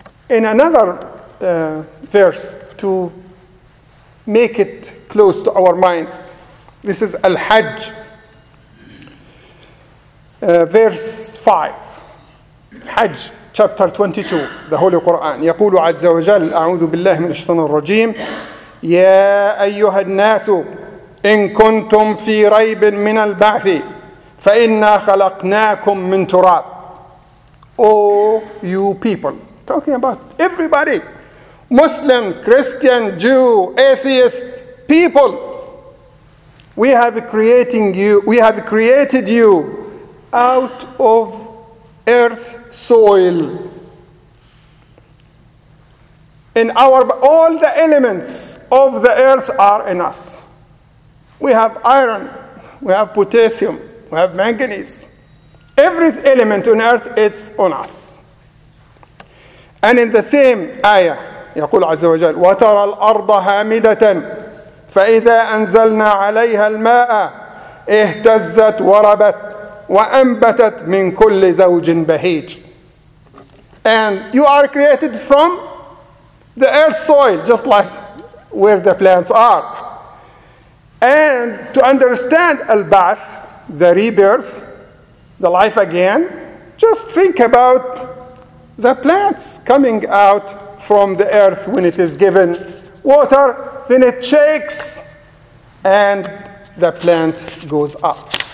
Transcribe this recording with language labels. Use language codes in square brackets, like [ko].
[en] In another verse to make it close to our minds, this is Al-Hajj, verse 5, Hajj, chapter 22, the Holy Quran. [ar] يقول عز وجل أعوذ بالله من الشيطان الرجيم يا أيها الناس إن كنتم في ريب من البعث فإنا خلقناكم من تراب. [en] Oh you people, talking about everybody, Muslim, Christian, Jew, atheist, people, we have created you out of earth soil. In all the elements of the earth are in us. We have iron, we have potassium, we have manganese. Every element on earth, it's on us. And in the same ayah, [ar] يقول عز وجل وترى الأرض هامدة فإذا أنزلنا عليها الماء اهتزت وربت وأنبتت من كل زوج بهيج. [en] And you are created from the earth soil, just like where the plants are. And to understand al-ba'th, the rebirth, the life again, just think about the plants coming out from the earth when it is given water, then it shakes and the plant goes up.